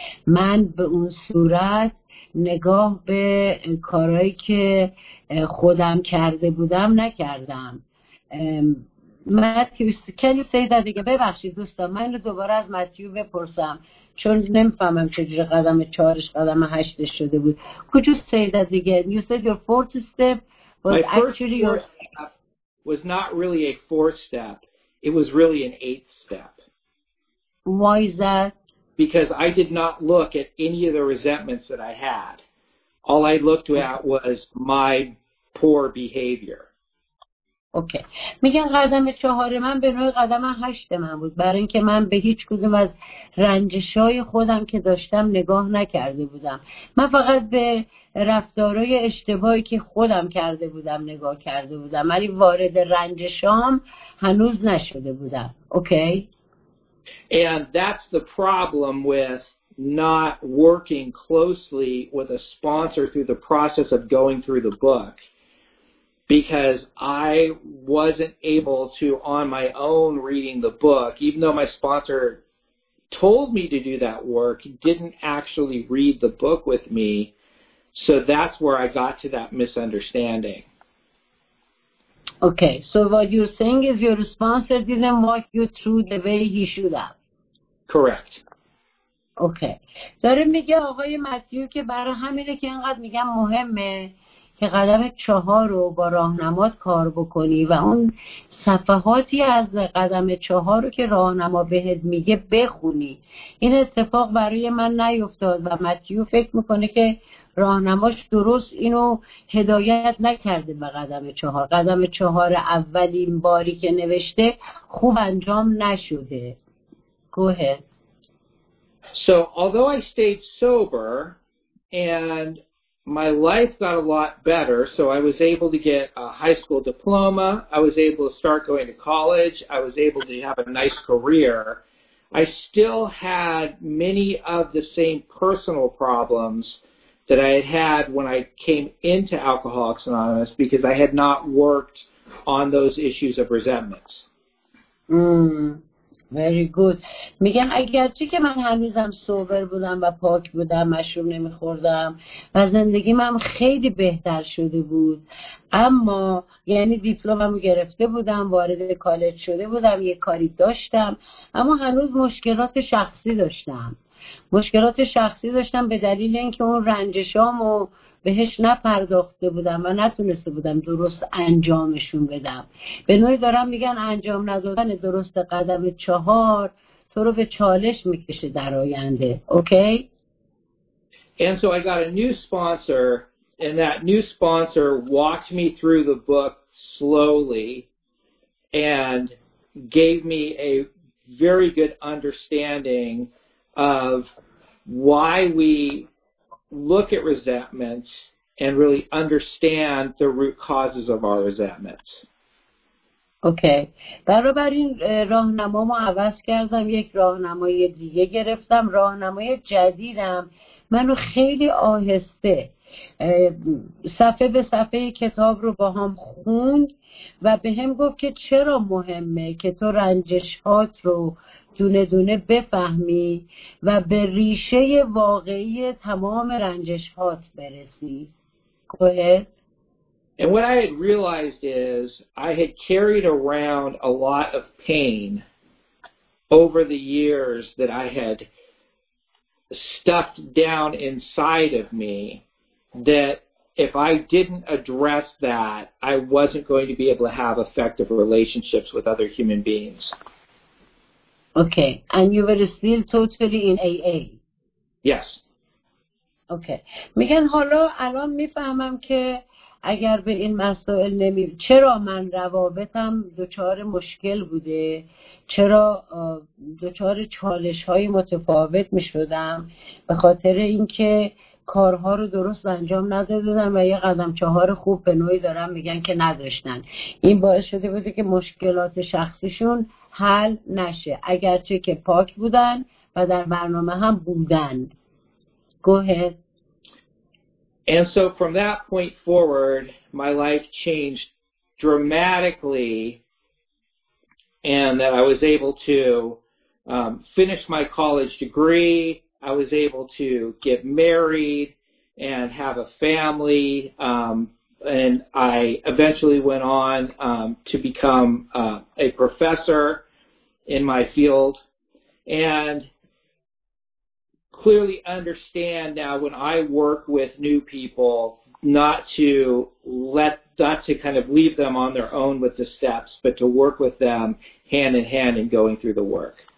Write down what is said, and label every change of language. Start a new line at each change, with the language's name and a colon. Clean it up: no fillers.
Persian: من به اون صورت نگاه به کارهایی که خودم کرده بودم نکردم. متیو کلی سیده دیگه ببخشید دوستان من رو دوباره از متیو بپرسم چون نمیفهمم چجوری قدم چهارش قدم هشتش شده بود.
English: Could you say that again? You said your fourth step was actually your... My first step was not really a fourth step. It was really an eighth step. Why is that? Because I did not look at any of the resentments that I had. All I looked at was my poor behavior. Okay.
Persian: میگن قدم چهار من به نوع قدم هشت من بود. برای اینکه من به هیچ کدوم از رنجش‌های خودم که داشتم نگاه نکرده بودم. من فقط به رفتارهای اشتباهی که خودم کرده بودم نگاه کرده بودم. ولی وارد رنجشام هنوز نشده بودم.
English: Okay. And that's the problem with not working closely with a sponsor through the process of going through the book, because I wasn't able to, on my own reading the book, even though my sponsor told me to do that work, didn't actually read the book with me. So that's where I got to that misunderstanding. Okay, so what you're saying is your sponsor didn't walk you through the way he should have. Correct. Okay.
Persian: داره میگه آقای متیو که برای همینه که اینقدر میگم مهمه که قدم چهار رو با راهنمات کار بکنی و اون صفحاتی از قدم چهار رو که راهنما بهت میگه بخونی. این اتفاق برای من نیفتاد و متیو فکر میکنه که راهنماش درست اینو هدایت نکرده به قدم چهار. قدم چهار اولین باری که نوشته خوب انجام نشده.
English: Go ahead. So although I stayed sober and my life got a lot better, so I was able to get a high school diploma, I was able to start going to college, I was able to have a nice career, I still had many of the same personal problems that I had had when I came into Alcoholics Anonymous because I had not worked on those issues of resentments. Very good.
Persian: میگم اگرچه که من هنوزم سوبر بودم و پاک بودم، مشروب نمیخوردم و زندگیم هم خیلی بهتر شده بود، اما یعنی دیپلممو گرفته بودم، وارد کالج شده بودم، یه کاری داشتم، اما هنوز مشکلات شخصی داشتم. مشکلات شخصی داشتم به دلیل اینکه اون رنجشامو بهش نپرداخته بودم و نتونسته بودم درست انجامشون بدم. به نوعی دارم میگن انجام ندادن درست قدم چهار تو رو به چالش میکشه در آینده. اوکی؟
English: And so I got a new sponsor, and that new sponsor walked me through the book slowly and gave me a very good understanding of why we look at resentment and really understand the root causes of our resentment. Okay.
Persian: برابر این راهنمامو عوض کردم، یک راهنمای دیگه گرفتم. راهنمای جدیدم منو خیلی آهسته صفحه به صفحه کتاب رو با هم خوند و به هم گفت که چرا مهمه که تو رنجشات رو دونه دونه بفهمی و به ریشه واقعی تمام رنجشات برسی.
English: Go ahead. And what I had realized is I had carried around a lot of pain over the years that I had stuffed down inside of me, that if I didn't address that, I wasn't going to be able to have effective relationships with other human beings. Okay, and you were still totally in AA? Yes. Okay.
Persian: میگن حالا الان میفهمم که اگر به این مسائل نمی... چرا من روابطم دچار مشکل بوده؟ چرا دچار چالش‌های متفاوت می‌شدم؟ به خاطر اینکه کارها رو درست انجام ندادن و یه قدم چهار خوب به نوعی دارن میگن که نداشتن. این باعث شده بوده که مشکلات شخصیشون حل نشه، اگرچه که پاک بودن و در برنامه هم بودن.
English: Go ahead. And so from that point forward my life changed dramatically and that I was able to finish my college degree. I was able to get married and have a family, and I eventually went on to become a professor in my field, and clearly understand now when I work with new people not to let that to kind of leave them on their own with the steps, but to work with them hand in hand and going through the work.